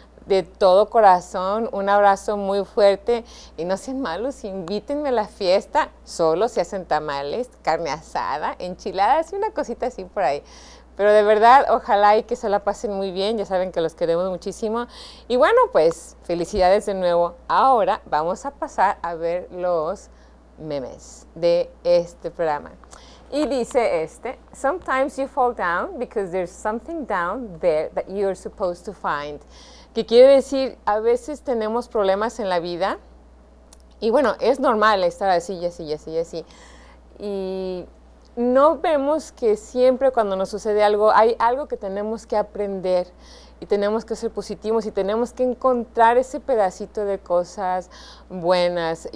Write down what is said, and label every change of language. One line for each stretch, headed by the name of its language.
Spanish: De todo corazón, un abrazo muy fuerte y no sean malos, invítenme a la fiesta, solo si hacen tamales, carne asada, enchiladas y una cosita así por ahí. Pero de verdad, ojalá y que se la pasen muy bien, ya saben que los queremos muchísimo. Y bueno, pues felicidades de nuevo. Ahora vamos a pasar a ver los memes de este programa. Y dice este,
English: sometimes you fall down because there's something down there that you're supposed to find.
Spanish: Que quiere decir, a veces tenemos problemas en la vida y bueno, es normal estar así y así y así y así. Y no vemos que siempre cuando nos sucede algo, hay algo que tenemos que aprender y tenemos que ser positivos y tenemos que encontrar ese pedacito de cosas buenas.